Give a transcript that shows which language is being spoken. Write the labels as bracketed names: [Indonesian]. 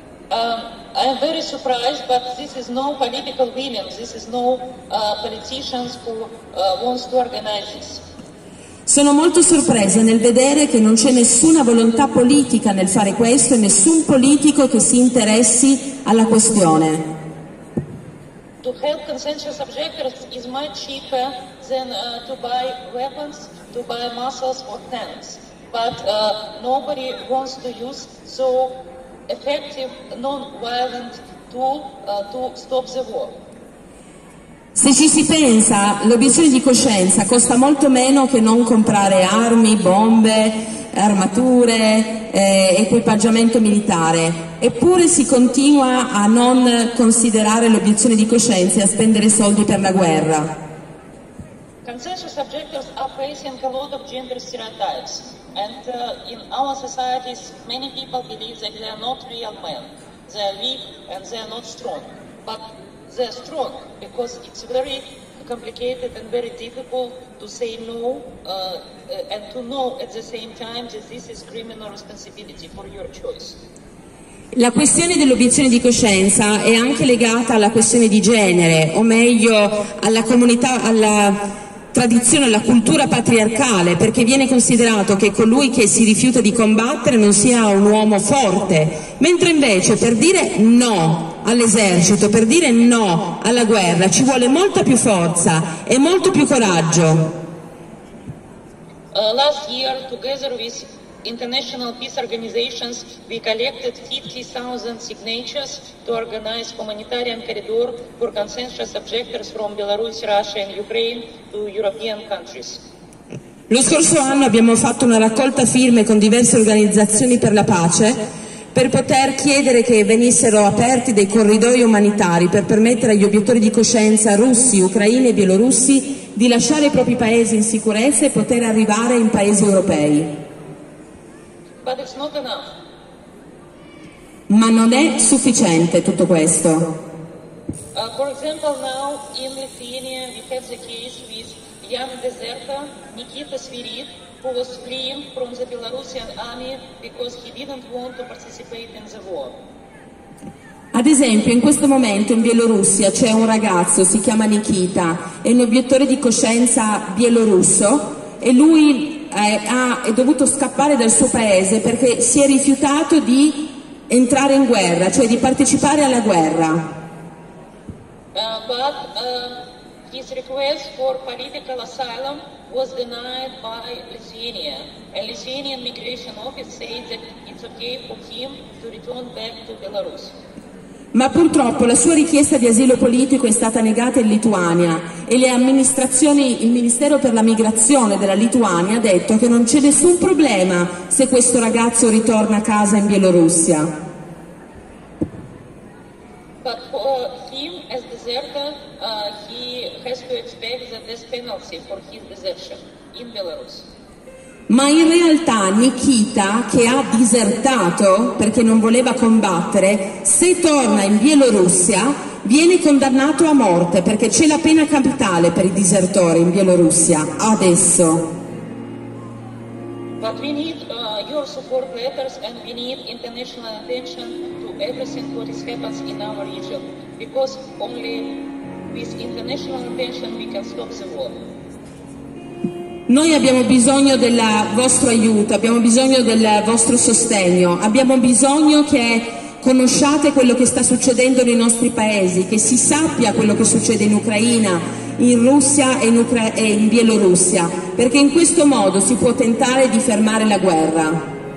[English] I'm very surprised, but this is no political willing. This is no politicians who wants to organize this. [Italian] Sono molto sorpresa nel vedere che non c'è nessuna volontà politica nel fare questo e nessun politico che si interessi alla questione. [English] To help conscientious objectors is much cheaper than to buy weapons, to buy muscles or tanks. But nobody wants to use so effective non-violent tool to stop the war. [Italian] Se ci si pensa, l'obiezione di coscienza costa molto meno che non comprare armi, bombe, armature, equipaggiamento militare. Eppure si continua a non considerare l'obiezione di coscienza e a spendere soldi per la guerra. [English] Consensus objectors are facing a lot of gender stereotypes. And in our societies, many people believe that they are not real men. They are weak and they are not strong. But they're strong because it's very complicated and very difficult to say no and to know at the same time that this is criminal responsibility for your choice. [Italian] La questione dell'obiezione di coscienza è anche legata alla questione di genere, o meglio alla comunità, alla tradizione, alla cultura patriarcale, perché viene considerato che colui che si rifiuta di combattere non sia un uomo forte, mentre invece per dire no all'esercito, per dire no alla guerra, ci vuole molta più forza e molto più coraggio. [English] Last year, together with international peace organizations, we collected 50,000 signatures to organize humanitarian corridor for conscientious objectors from Belarus, Russia and Ukraine to European countries. [Italian] Lo scorso anno abbiamo fatto una raccolta firme con diverse organizzazioni per la pace, per poter chiedere che venissero aperti dei corridoi umanitari per permettere agli obiettori di coscienza russi, ucraini e bielorussi di lasciare i propri paesi in sicurezza e poter arrivare in paesi europei. [English] But it's not enough. [Italian] Ma non è sufficiente tutto questo. [English] For example, now in Lithuania we have the case with young deserter Nikita Svirid, who was fleeing from the Belarusian army because he didn't want to participate in the war. [Italian] Ad esempio, in questo momento in Bielorussia c'è un ragazzo, si chiama Nikita, è un obiettore di coscienza bielorusso e lui è dovuto scappare dal suo paese perché si è rifiutato di entrare in guerra, cioè di partecipare alla guerra. [English] But his request for political asylum was denied by Lithuania. A Lithuanian migration office said that it's okay for him to return back to Belarus. [Italian] Ma purtroppo la sua richiesta di asilo politico è stata negata in Lituania e le amministrazioni, il Ministero per la Migrazione della Lituania ha detto che non c'è nessun problema se questo ragazzo ritorna a casa in Bielorussia. [English] But for him as deserter, he has to expect the death penalty for his desertion in Belarus. [Italian] Ma in realtà Nikita, che ha disertato perché non voleva combattere, se torna in Bielorussia viene condannato a morte perché c'è la pena capitale per i disertori in Bielorussia adesso. [English] But we need your support letters and we need international attention to everything what is happening in our region because only with international attention we can stop the war. [Italian] Noi abbiamo bisogno del vostro aiuto, abbiamo bisogno del vostro sostegno, abbiamo bisogno che conosciate quello che sta succedendo nei nostri paesi, che si sappia quello che succede in Ucraina, in Russia e in Bielorussia, perché in questo modo si può tentare di fermare la guerra.